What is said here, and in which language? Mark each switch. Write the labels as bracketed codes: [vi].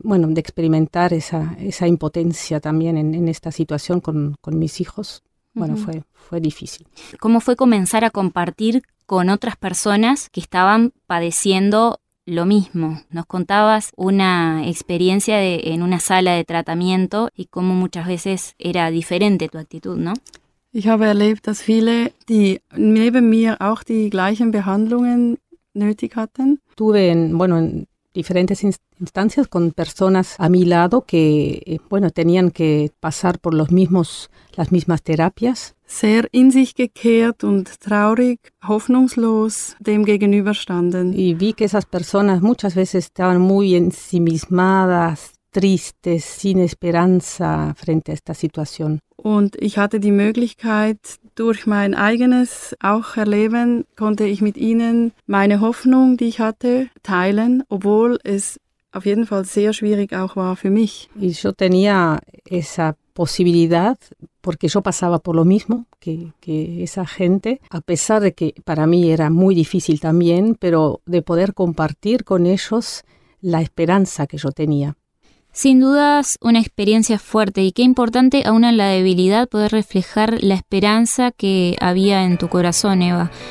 [es] Bueno, de experimentar esa impotencia también en esta situación con mis hijos, bueno, uh-huh. fue difícil. ¿Cómo fue comenzar a compartir con otras personas que estaban padeciendo lo mismo? Nos contabas una experiencia en una sala de tratamiento y cómo muchas veces era diferente tu actitud, ¿no? [de] Ich habe erlebt, dass viele, die neben mir auch die gleichen Behandlungen nötig hatten. [es] Tuve en diferentes instancias con personas a mi lado que bueno tenían que pasar por las mismas terapias. [de] Sehr in sich gekehrt und traurig, hoffnungslos dem gegenüberstanden. [es] Y vi que esas personas muchas veces estaban muy ensimismadas, tristes, sin esperanza frente a esta situación. [de] Und ich hatte die Möglichkeit, durch mein eigenes auch Erleben, konnte ich mit ihnen meine Hoffnung, die ich hatte, teilen, obwohl es auf jeden Fall sehr schwierig auch war für mich. [es] Y yo tenía esa posibilidad, porque yo pasaba por lo mismo que esa gente, a pesar de que para mí era muy difícil también, pero de poder compartir con ellos la esperanza que yo tenía. Sin dudas, una experiencia fuerte y qué importante aún en la debilidad poder reflejar la esperanza que había en tu corazón, Eva.